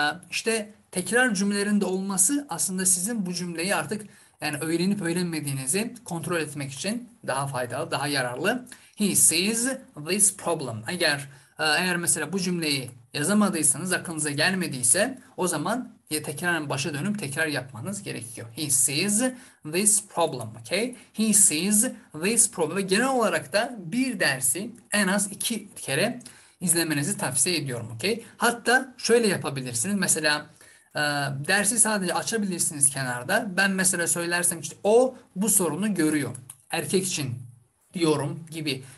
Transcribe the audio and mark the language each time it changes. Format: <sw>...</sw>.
<tr>İşte tekrar cümlelerin de olması aslında sizin bu cümleyi artık, yani öğrenip öğrenmediğinizi kontrol etmek için daha faydalı, daha yararlı.</tr> <en>He sees this problem.</en> <tr>Eğer mesela bu cümleyi yazamadıysanız, aklınıza gelmediyse, o zaman ya tekrar başa dönüp tekrar yapmanız gerekiyor.</tr> <en>He sees this problem, okay? He sees this problem.</en> <tr>Ve genel olarak da bir dersi en az iki kere izlemenizi tavsiye ediyorum, okay? Hatta şöyle yapabilirsiniz. Mesela dersi sadece açabilirsiniz kenarda. Ben mesela söylersem işte o bu sorunu görüyor. Erkek için diyorum gibi.</tr>